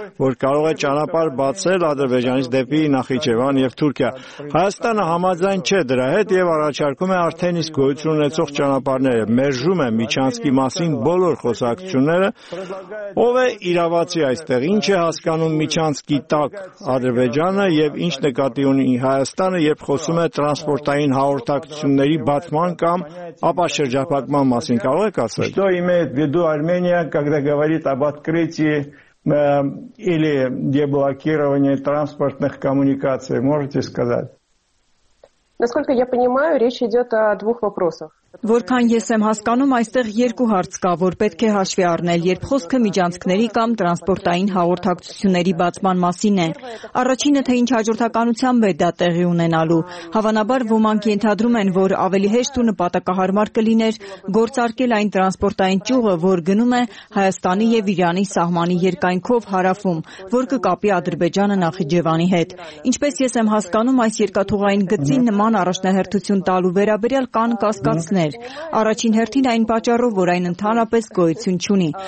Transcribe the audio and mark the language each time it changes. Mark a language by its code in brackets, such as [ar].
[hy] որ կարող է ճանապարհ բացել Ադրբեջանից դեպի Նախիջևան եւ Թուրքիա։ Հայաստանը համաձայն չէ դրա հետ եւ առաջարկում է արդեն իսկ գոյություն ունեցող ճանապարհ բաները, մերժում է միջանցքի մասին բոլոր խոսակցությունները, ով է իրավացի այստեղ, ինչ է հասկանում միջանցքի տակ Ադրբեջանը եւ ինչ նկատի ունի Հայաստանը, երբ խոսում է տրանսպորտային հաղորդակցությունների բացման կամ ապաշրջափակման մասին, կարող եք ասել։ [ru] Что имеет в виду Армения, когда говорит об открытии или деблокировании транспортных коммуникаций, можете сказать? Насколько я понимаю, речь идёт о двух вопросах. [hy] Որքան ես եմ հասկանում, այստեղ երկու հարց կա, որ պետք է հաշվի առնել, երբ խոսքը միջանցքների կամ տրանսպորտային հաղորդակցությունների բացման մասին է։ Առաջինը, թե ինչ հաջորդականությամբ է դա տեղի ունենալու։ Հավանաբար ոմանք ենթադրում են, որ ավելի հեշտ ու նպատակահարմար կլիներ գործարկել այն տրանսպորտային ճյուղը, որ գնում է Հայաստանի և Իրանի սահմանի երկայնքով հարավում, որ կկապի Ադրբեջանը Նախիջևանի հետ։ Ինչպես ես եմ հասկանում, այս երկաթուղային գծին նման առաջնահերթություն տալու վերաբերյալ կան կասկած Առաջին հերթին այն պատճառով, որ այն ընդհանրապես գոյություն չունի։